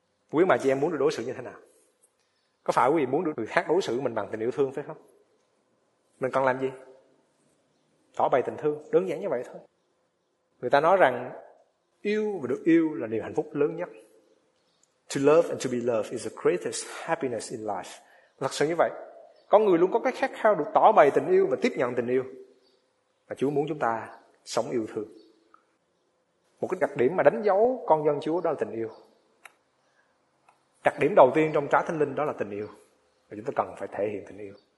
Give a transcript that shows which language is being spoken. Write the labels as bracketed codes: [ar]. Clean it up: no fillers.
[vi] Quý mà chị em muốn được đối xử như thế nào? Có phải quý vị muốn được người khác đối xử mình bằng tình yêu thương phải không? Mình cần làm gì? Tỏ bày tình thương, đơn giản như vậy thôi. Người ta nói rằng yêu và được yêu là niềm hạnh phúc lớn nhất. [en] To love and to be loved is the greatest happiness in life. [vi] Thật sự như vậy. Con người luôn có cái khát khao được tỏ bày tình yêu và tiếp nhận tình yêu. Và Chúa muốn chúng ta sống yêu thương. Một cái đặc điểm mà đánh dấu con dân Chúa đó là tình yêu. Đặc điểm đầu tiên trong Trái Thánh Linh đó là tình yêu. Và chúng ta cần phải thể hiện tình yêu.